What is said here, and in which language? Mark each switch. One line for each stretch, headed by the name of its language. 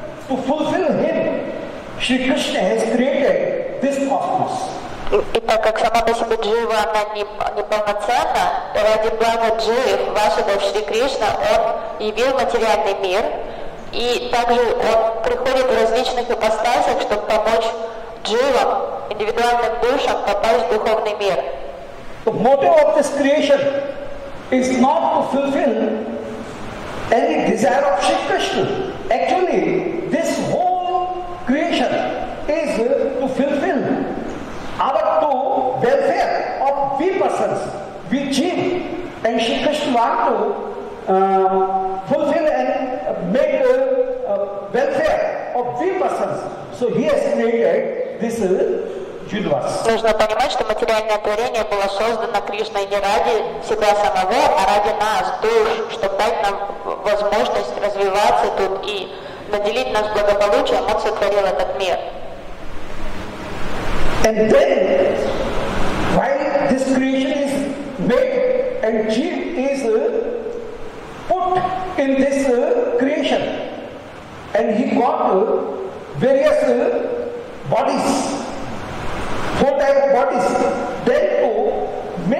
English: To fulfill him, Shri Krishna has created this cosmos.
Russian: И так как сама по себе джива, она не полноценна, то ради блага джив, Васудев Шри Кришна, он явил материальный мир, и также он приходит в различных ипостасях, чтобы помочь дживам, индивидуальным душам попасть в духовный мир.
English: The motive of this creation is not to fulfill any desire of Shri Krishna. Actually, this whole creation is to fulfill our two welfare of we persons, we jeev, and Shri Krishna want to fulfill and make the welfare of we persons. So he has created this universe.
Russian: Нужно понимать, что материальное творение было создано Кришной не ради себя самого, а ради нас, душ, чтобы дать нам возможность развиваться тут и наделить нас благополучием, он сотворил этот мир.
English: And then, while this creation is made and jeev is put in this creation, and he got various bodies, four type of bodies, then to